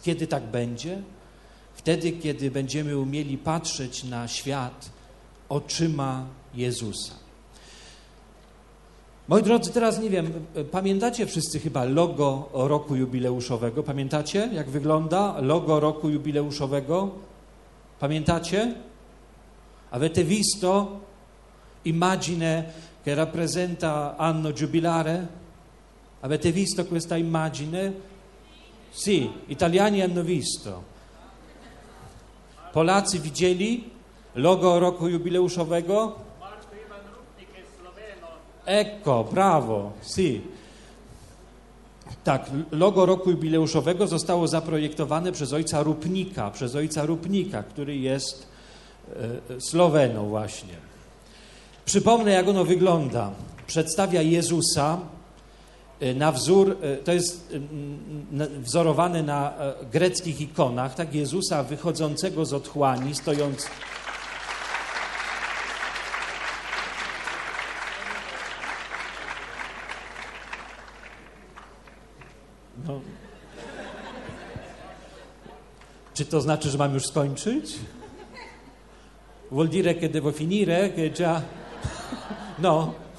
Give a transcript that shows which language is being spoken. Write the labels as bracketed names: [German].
[Polish] Kiedy tak będzie? Wtedy, kiedy będziemy umieli patrzeć na świat oczyma Jezusa. Moi drodzy, teraz nie wiem, pamiętacie wszyscy chyba logo roku jubileuszowego? Pamiętacie, jak wygląda logo roku jubileuszowego? Pamiętacie? [Italian] Avete visto? Immagine che rappresenta anno giubilare? Avete visto questa immagine? Sì, italiani hanno visto. [Polish] Polacy widzieli logo roku jubileuszowego? [Italian] Ecco, bravo, sì. [Polish] Tak, logo roku jubileuszowego zostało zaprojektowane przez ojca Rupnika, który jest Sloweną właśnie. Przypomnę, jak ono wygląda. Przedstawia Jezusa na wzór, to jest wzorowane na greckich ikonach, tak, Jezusa wychodzącego z otchłani, Czy to znaczy, że mam już skończyć? [Italian] Vuol dire che devo finire, che già... No.